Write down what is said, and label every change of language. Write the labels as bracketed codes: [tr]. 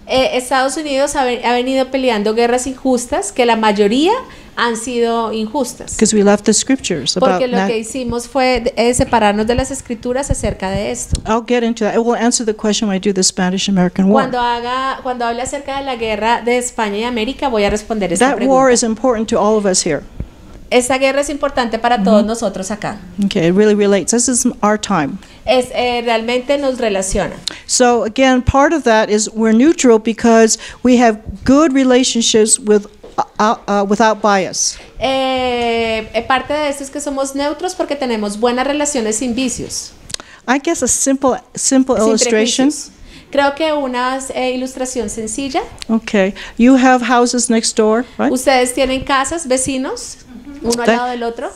[es] Estados Unidos ha venido peleando guerras injustas que la mayoría han sido injustas. [en] Because we left the scriptures about [es] porque lo que hicimos fue separarnos de las escrituras acerca de esto. [en] I'll get into that. I will answer the question when I do the Spanish-American War. [es] Cuando hable acerca de la guerra de España y América, voy a responder esta pregunta. [en] war is important to all of us here. [es] Esta guerra es importante para todos nosotros acá. [en] Okay, it really relates. This is our time. [es] Realmente nos relaciona. [en] So again, part of that is we're neutral because we have good relationships with without bias. [es] Parte de esto es que somos neutros porque tenemos buenas relaciones sin vicios. [en] I guess a simple illustration. [es] Creo que una ilustración sencilla. [en] Okay, you have houses next door, right? [es] Ustedes tienen casas vecinos. Uno al lado del otro.